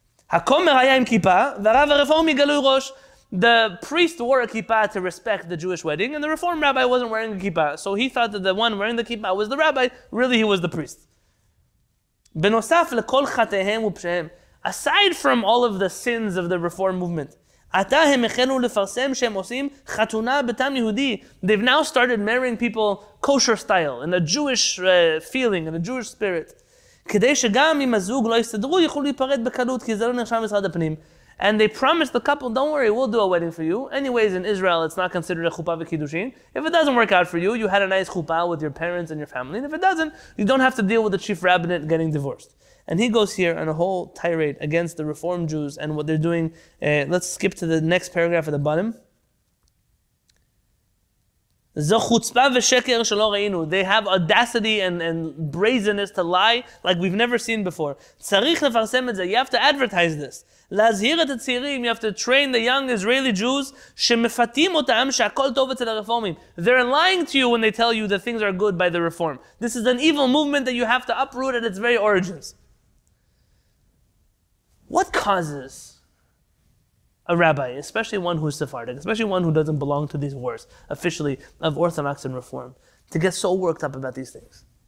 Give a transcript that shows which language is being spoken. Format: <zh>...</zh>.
<he>הכומר היה עם כיפה, והרב הרפורמי גלוי ראש,</he> <en>the priest wore a kippah to respect the Jewish wedding, and the Reform rabbi wasn't wearing a kippah. So he thought that the one wearing the kippah was the rabbi. Really, he was the priest.</en> <he>בנוסף לכל חטאיהם ופשעיהם,</he> <en>aside from all of the sins of the Reform movement,</en> <he>עתה הם החלו לפרסם שהם עושים חתונה בטעם יהודי.</he> <en>They've now started marrying people kosher style, in a Jewish feeling, in a Jewish spirit.</en> <he>כדי שגם אם הזוג לא יסתדרו, יוכלו להיפרד בקלות, כי זה לא נרשם משרד הפנים.</he> <en>And they promised the couple, don't worry, we'll do a wedding for you. Anyways, in Israel, it's not considered a chuppah v'kiddushin. If it doesn't work out for you, you had a nice chuppah with your parents and your family. And if it doesn't, you don't have to deal with the chief rabbinate getting divorced. And he goes here on a whole tirade against the Reform Jews and what they're doing. Let's skip to the next paragraph at the bottom.</en> <he>זו חוצפה ושקר שלא ראינו.</he> <en>They have audacity and brazenness to lie like we've never seen before.</en> <he>צריך לפרסם את זה.</he> <en>You have to advertise this.</en> <he>להזהיר את הצעירים,</he> <en>you have to train the young Israeli Jews</en> <he>שמפתים אותם שהכל טוב אצל הרפורמים.</he> <en>They're lying to you when they tell you that things are good by the reform. This is an evil movement that you have to uproot at its very origins. What causes a rabbi, especially one who's Sephardic, especially one who doesn't belong to these wars, officially, of Orthodox and Reform, to get so worked up about these things?</en>